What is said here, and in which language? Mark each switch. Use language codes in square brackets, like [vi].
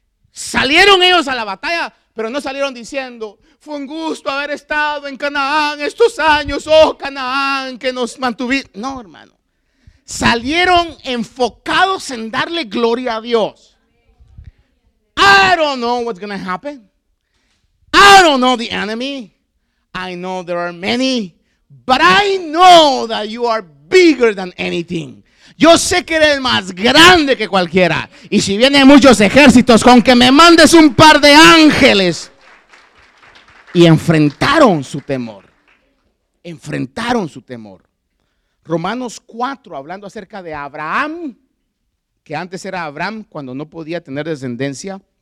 [es] Salieron ellos a la batalla, pero no salieron diciendo, fue un gusto haber estado en Canaán estos años, oh Canaán, que nos mantuviste. No, hermano, salieron enfocados en darle gloria a Dios. [en] I don't know what's gonna happen. I don't know the enemy, I know there are many, but I know that you are bigger than anything. [es] Yo sé que eres más grande que cualquiera, y si vienen muchos ejércitos, con que me mandes un par de ángeles, y enfrentaron su temor. Enfrentaron su temor. Romanos 4, hablando acerca de Abraham, que antes era Abraham cuando no podía tener descendencia.